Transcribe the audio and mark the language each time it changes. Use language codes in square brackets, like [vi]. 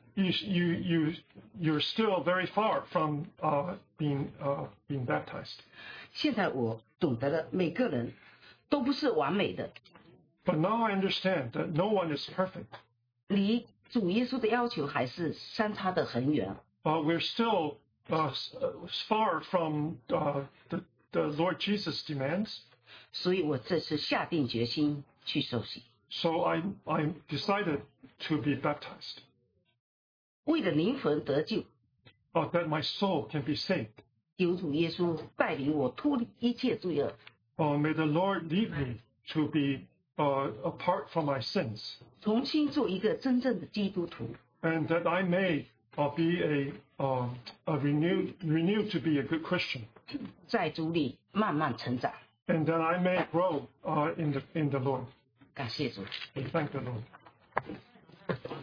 [en] You're still very far from being baptized. [zh] 现在我懂得了，每个人都不是完美的。 [en] But now I understand that no one is perfect. [zh] 离主耶稣的要求还是相差得很远。 [en] We're still far from the Lord Jesus demands. [zh] 所以我这次下定决心去受洗。 [en] So I decided to be baptized. [zh] 为了灵魂得救。 [en] That my soul can be saved. [zh] 求主耶稣带领我脱离一切罪恶。 [en] May the Lord lead me to be apart from my sins. [zh] 重新做一个真正的基督徒。 [en] And that I may be renewed to be a good Christian. [zh] 在主里慢慢成长。 [en] And that I may grow in the Lord. [zh] 感谢主。 [en] We thank the Lord.